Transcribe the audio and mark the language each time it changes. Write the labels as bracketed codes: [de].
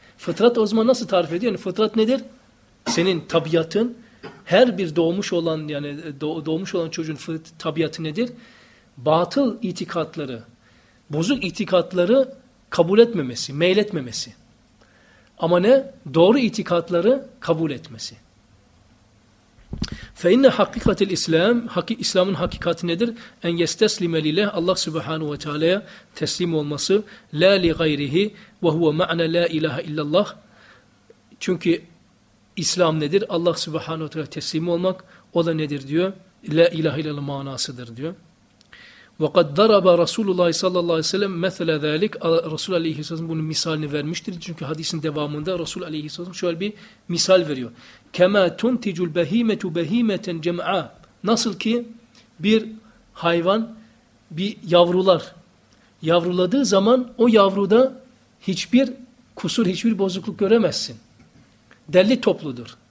[tr] Fıtrat o zaman nasıl tarif ediyor? Yani fıtrat nedir? Senin tabiatın, her bir doğmuş olan yani doğmuş olan çocuğun tabiatı nedir? Batıl itikatları, bozuk itikatları kabul etmemesi, meyletmemesi. Ama ne? Doğru itikatları kabul etmesi. [ar] فَاِنَّ حَقِّقَةِ الْاِسْلَامِ [tr] İslam'ın hakikati nedir? [ar] اَنْ يَسْتَسْلِمَ لِلَهِ [tr] Allah subhanahu ve teala'ya teslim olması [ar] لَا لِغَيْرِهِ وَهُوَ مَعْنَ لَا اِلَٰهَ اِلَّا اللّٰهِ [tr] Çünkü İslam nedir? Allah subhanahu ve teala'ya teslim olmak o da nedir diyor? [ar] لَا اِلَٰهَ اِلَٰهَ [tr] manasıdır diyor. [ar] وَقَدْ دَرَبَ رَسُولُ اللّٰهِ صَلَّى اللّٰهِ سَلَمْ مَثَلَ ذَٰلِكَ [tr] Resul Aleyhisselam bunun misalini vermiştir. Çünkü hadisin devamında Resul Aleyhisselam şöyle bir misal veriyor. [ar] كَمَا تُنْتِجُ الْبَه۪يمَةُ بَه۪يمَةً جَمْعًا [tr] Nasıl ki bir hayvan, bir yavrular, yavruladığı zaman o yavruda hiçbir kusur, hiçbir bozukluk göremezsin. Derli topludur.